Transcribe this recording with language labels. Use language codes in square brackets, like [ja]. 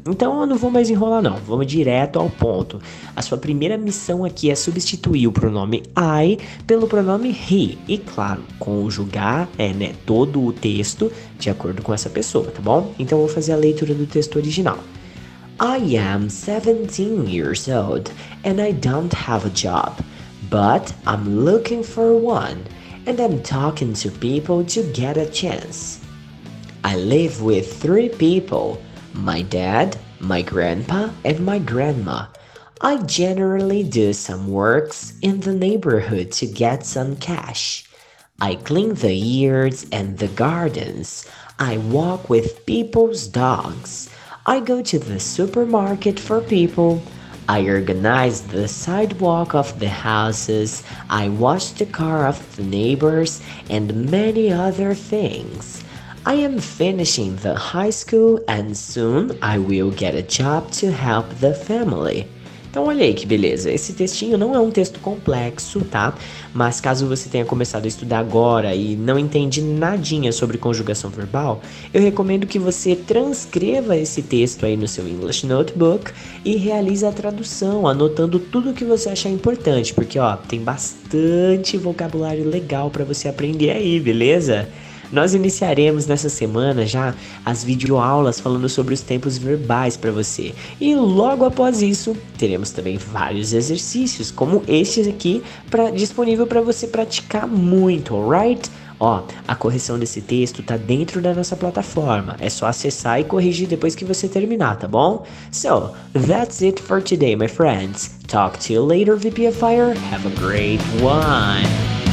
[pt] Então eu não vou mais enrolar não, vamos direto ao ponto. A sua primeira missão aqui é substituir o pronome I pelo pronome he e, claro, conjugar todo o texto de acordo com essa pessoa, tá bom? Então eu vou fazer a leitura do texto original. [en] I am 17 years old and I don't have a job, but I'm looking for one and I'm talking to people to get a chance. I live with three people, my dad, my grandpa and my grandma. I generally do some works in the neighborhood to get some cash. I clean the yards and the gardens. I walk with people's dogs. I go to the supermarket for people. I organize the sidewalk of the houses. I wash the car of the neighbors and many other things. I am finishing the high school and soon I will get a job to help the family. [pt] Então olha aí que beleza, esse textinho não é um texto complexo, tá? Mas caso você tenha começado a estudar agora e não entende nadinha sobre conjugação verbal, eu recomendo que você transcreva esse texto aí no seu English Notebook e realize a tradução, anotando tudo o que você achar importante, porque ó, tem bastante vocabulário legal pra você aprender aí, beleza? Nós iniciaremos nessa semana já as videoaulas falando sobre os tempos verbais para você. E logo após isso, teremos também vários exercícios, como estes aqui, disponível para você praticar muito, alright? Ó, a correção desse texto tá dentro da nossa plataforma. É só acessar e corrigir depois que você terminar, tá bom? [en] So, that's it for today, my friends. Talk to you later, VPFire. Have a great one!